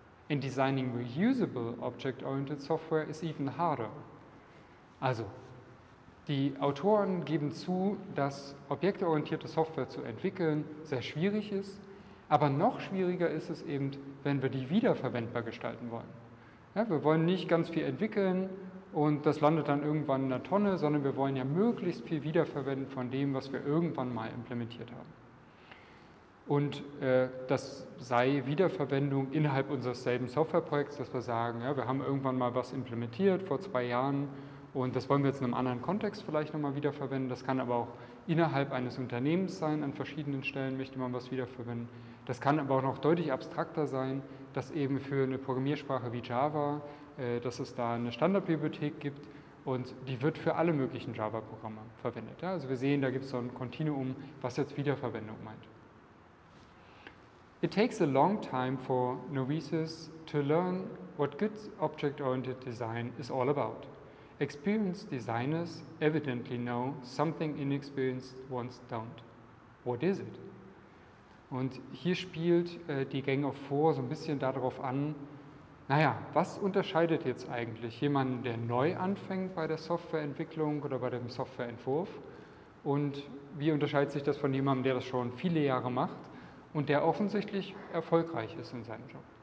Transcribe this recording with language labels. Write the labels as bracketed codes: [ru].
[en] And designing reusable object-oriented software is even harder. [de] Also, die Autoren geben zu, dass objektorientierte Software zu entwickeln sehr schwierig ist, aber noch schwieriger ist es eben, wenn wir die wiederverwendbar gestalten wollen. Ja, wir wollen nicht ganz viel entwickeln und das landet dann irgendwann in der Tonne, sondern wir wollen ja möglichst viel wiederverwenden von dem, was wir irgendwann mal implementiert haben. Und das sei Wiederverwendung innerhalb unseres selben Softwareprojekts, dass wir sagen, ja, wir haben irgendwann mal was implementiert vor 2 Jahren und das wollen wir jetzt in einem anderen Kontext vielleicht nochmal wiederverwenden. Das kann aber auch innerhalb eines Unternehmens sein, an verschiedenen Stellen möchte man was wiederverwenden. Das kann aber auch noch deutlich abstrakter sein, dass eben für eine Programmiersprache wie Java, dass es da eine Standardbibliothek gibt und die wird für alle möglichen Java-Programme verwendet. Ja, also wir sehen, da gibt es so ein Kontinuum, was jetzt Wiederverwendung meint. [en] It takes a long time for novices to learn what good object-oriented design is all about. Experienced designers evidently know something inexperienced ones don't. What is it? [de] Und hier spielt die Gang of Four so ein bisschen darauf an, naja, was unterscheidet jetzt eigentlich jemanden, der neu anfängt bei der Softwareentwicklung oder bei dem Softwareentwurf und wie unterscheidet sich das von jemandem, der das schon viele Jahre macht und der offensichtlich erfolgreich ist in seinem Job.